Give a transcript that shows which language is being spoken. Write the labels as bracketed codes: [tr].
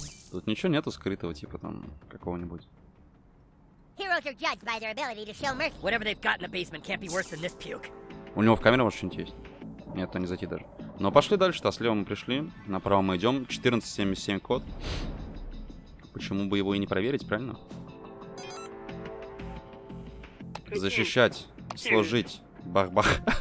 [ru] Тут ничего нету скрытого, типа там какого-нибудь. [en] Heroes are judged by their ability to show mercy. Whatever they've got in the basement can't be worse than this puke. [ru] У него в камере может что-нибудь есть? Нет, не зайти даже. Но пошли дальше, то слева мы пришли, направо мы идем. 1477 код. Почему бы его и не проверить, правильно? Защищать, служить, бах-бах.